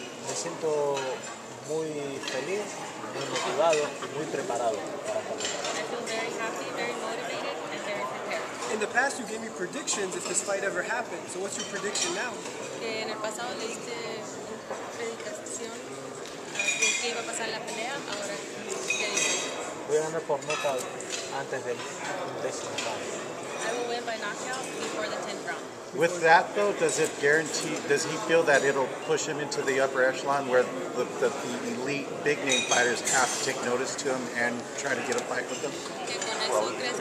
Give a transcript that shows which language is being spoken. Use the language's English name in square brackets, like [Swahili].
[Spanish] Me siento muy feliz, muy motivado y muy preparado. [English] I feel very happy, very motivated. In the past, you gave me predictions if this fight ever happened. So what's your prediction now? [Spanish] En el pasado le diste predicción de que iba a pasar la pelea. Ahora, ¿qué dices? Voy a ganar por nocaut antes del décimo round. [English] I will win by knockout before the 10th round. With that though, does he feel that it'll push him into the upper echelon where the elite big name fighters have to take notice to him and try to get a fight with him?